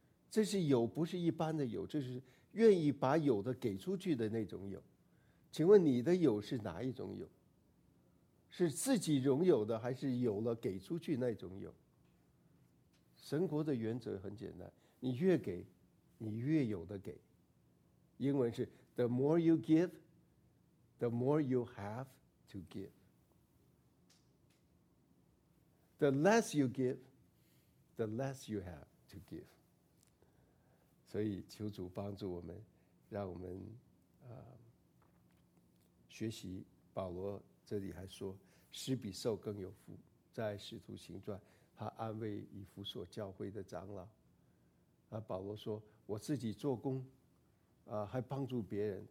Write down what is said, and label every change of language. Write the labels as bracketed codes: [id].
[zh] 这是有，不是一般的有，这是愿意把有的给出去的那种有。请问你的有是哪一种有？是自己拥有的，还是有了给出去那种有？神国的原则很简单，你越给，你越有的给。英文是 [en] The more you give, the more you have to give. The less you give, the less you have to give. [zh] 所以求主帮助我们，让我们学习。保罗这里还说，施比受更有福。在使徒行传，他安慰以弗所教会的长老。啊，保罗说：“我自己做工，啊，还帮助别人。